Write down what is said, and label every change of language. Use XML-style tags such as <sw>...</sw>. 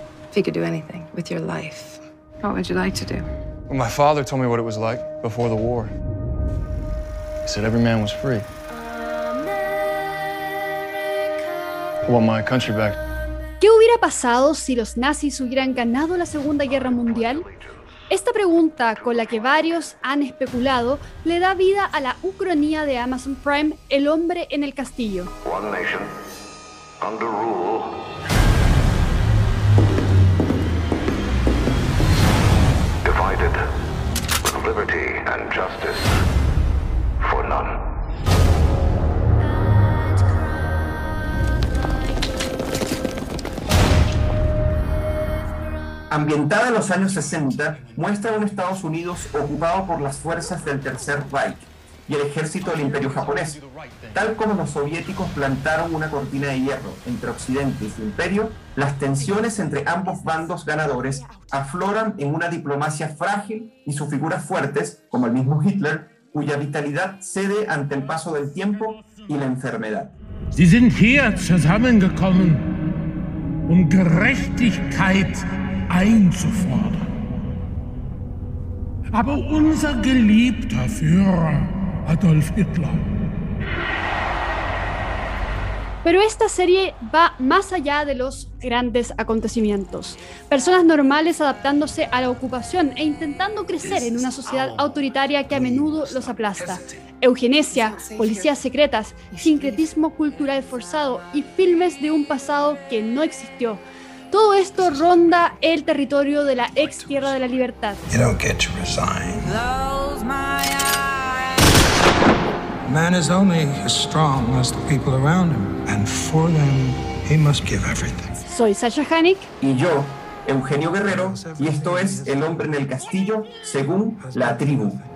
<en>If you could do anything with your life, what would you like to do? Well, my father told me what it was like before the war. He said every man was free. America, I want my country back.</en> <es>¿Qué hubiera pasado si los nazis hubieran ganado la Segunda Guerra Mundial? Esta pregunta, con la que varios han especulado, le da vida a la ucronía de Amazon Prime, El Hombre en el Castillo.</es> <en>One nation, under rule. Divided with liberty and justice for none.</en> <es>Ambientada en los años 60, muestra un Estados Unidos ocupado por las fuerzas del Tercer Reich y el ejército del Imperio japonés, tal como los soviéticos plantaron una cortina de hierro entre Occidente y su imperio. Las tensiones entre ambos bandos ganadores afloran en una diplomacia frágil y sus figuras fuertes, como el mismo Hitler, cuya vitalidad cede ante el paso del tiempo y la enfermedad.</es> <de>Sie sind hier zusammengekommen, Gerechtigkeit einzufordern. Aber unser geliebter Führer Adolf Hitler.</de> <es>Pero esta serie va más allá de los grandes acontecimientos. Personas normales adaptándose a la ocupación e intentando crecer en una sociedad autoritaria que a menudo los aplasta. Eugenesia, policías secretas, sincretismo cultural forzado y filmes de un pasado que no existió. Todo esto ronda el territorio de la ex Tierra de la Libertad.</es> <en>You don't get to resign. Close my eyes. Man is only as strong as the people around him, and for them, he must give everything.</en> <es>Soy Sasha Hanik. Y yo, Eugenio Guerrero, y esto es El Hombre en el Castillo, según La Tribu.</es>